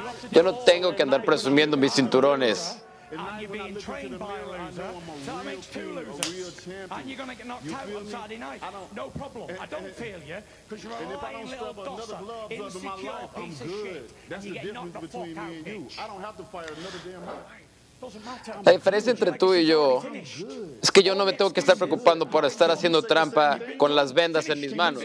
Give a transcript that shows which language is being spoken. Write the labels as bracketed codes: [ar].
[es] Yo no tengo que andar presumiendo mis cinturones. [en] And you're being trained by a loser, so that makes two losers. And you're going to get knocked out on Saturday night. No problem. I don't feel you, because you're a lying little dosser, insecure piece of shit. That's the difference between me and you. I don't have to fire another damn guy. [es] La diferencia entre tú y yo es que yo no me tengo que estar preocupando por estar haciendo trampa con las vendas en mis manos.